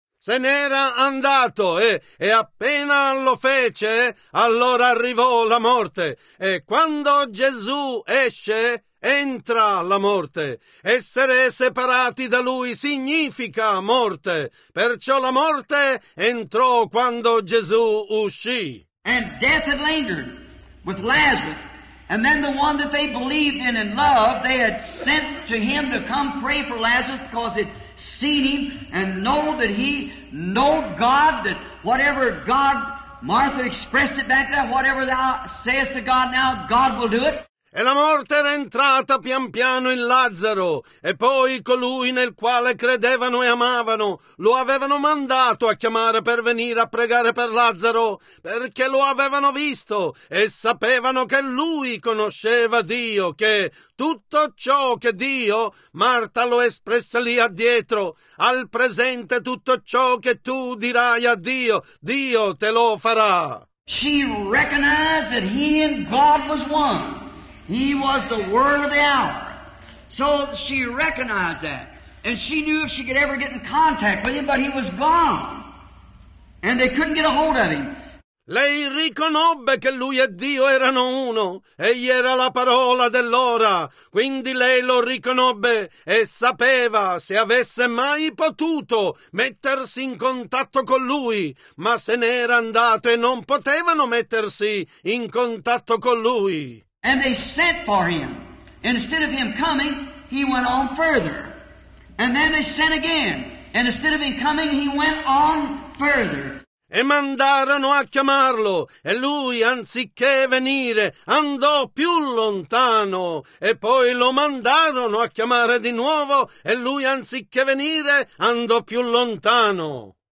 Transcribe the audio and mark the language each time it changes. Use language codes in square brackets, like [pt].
[it] Se n'era andato e appena lo fece, allora arrivò la morte. E quando Gesù esce, entra la morte. Essere separati da lui significa morte. Perciò la morte entrò quando Gesù uscì. [en] And death had lingered with Lazarus. And then the one that they believed in and loved, they had sent to him to come pray for Lazarus because they'd seen him and know that he know God, that whatever God, Martha expressed it back then, whatever thou sayest to God now, God will do it. [it] E la morte era entrata pian piano in Lazzaro, e poi colui nel quale credevano e amavano lo avevano mandato a chiamare per venire a pregare per Lazzaro, perché lo avevano visto e sapevano che lui conosceva Dio, che tutto ciò che Dio, Marta lo espresse lì addietro, al presente tutto ciò che tu dirai a Dio, Dio te lo farà. [en] She recognized that he and God was one. He was the word of the hour. So she recognized that. And she knew if she could ever get in contact with him, but he was gone. And they couldn't get a hold of him. [it] Lei riconobbe che lui e Dio erano uno. Egli era la parola dell'ora. Quindi lei lo riconobbe e sapeva se avesse mai potuto mettersi in contatto con lui. Ma se n'era andato e non potevano mettersi in contatto con lui. [en] And they sent for him. Instead of him coming, he went on further. And then they sent again. And instead of him coming, he went on further. [it] E mandarono a chiamarlo. E lui, anziché venire, andò più lontano. E poi lo mandarono a chiamare di nuovo. E lui, anziché venire, andò più lontano.